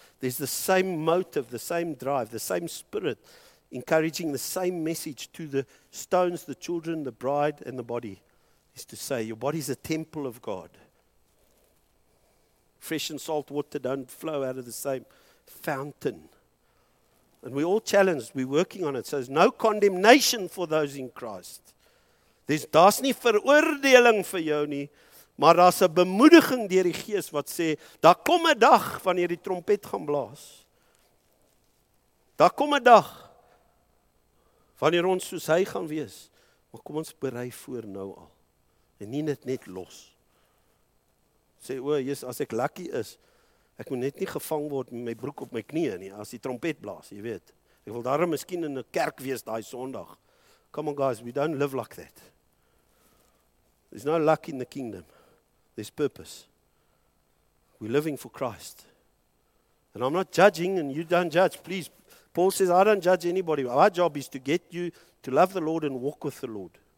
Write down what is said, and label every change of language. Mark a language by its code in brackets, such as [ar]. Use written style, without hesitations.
[en] There's the same motive, the same drive, the same Spirit encouraging the same message to the stones, the children, the bride, and the body, is to say, your body's a temple of God. Fresh and salt water don't flow out of the same fountain. And we're all challenged. We're working on it. So there's no condemnation for those in Christ. [af] There's daar's nie veroordeling vir jou nie, maar daar's 'n bemoediging deur die Gees wat sê, daar kom 'n dag wanneer die trompet gaan blaas. Daar kom 'n dag wanneer ons soos hy gaan wees, maar kom ons berei voor nou al. En nie net los. Sê, o, Jesus, as ek lucky is, ek moet net nie gevang word met my broek op my knieën nie, as die trompet blaas, jy weet. Ek wil daarom miskien in 'n kerk wees daai Sondag. [en] Come on guys, we don't live like that. There's no luck in the kingdom. There's purpose. We're living for Christ. And I'm not judging and you don't judge, please. Paul says, I don't judge anybody. Our job is to get you to love the Lord and walk with the Lord.